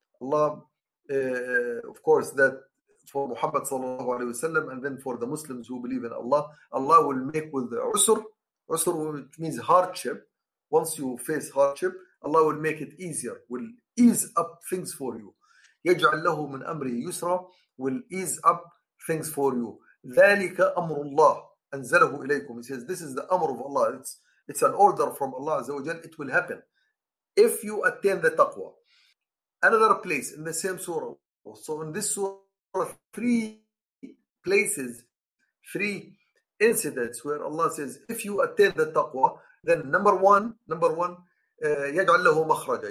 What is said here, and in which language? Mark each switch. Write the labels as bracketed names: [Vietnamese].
[English] Allah, of course, that for Muhammad sallallahu alayhi wasallam, and then for the Muslims who believe in Allah, Allah will make with the usr, usr which means hardship, once you face hardship, Allah will make it easier, will ease up things for you. [Arabic] يجعل له من أمره يسرا [English] will ease up things for you. [Arabic] ذلك أمر الله أنزله إليكم. [English] He says this is the أمر of Allah. It's an order from Allah عز وجل. It will happen if you attain the taqwa. Another place in the same surah. So in this surah, three places, three incidents where Allah says, if you attain the taqwa, then number one, [Arabic] يجعل له مخرجا.